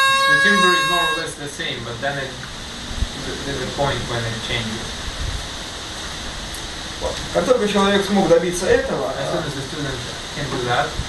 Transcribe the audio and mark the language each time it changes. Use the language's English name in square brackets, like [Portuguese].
[English] The timbre is more or less the same, but then there's a point when it changes. [Russian] Как только человек смог добиться этого, [English] as soon as the student can do that,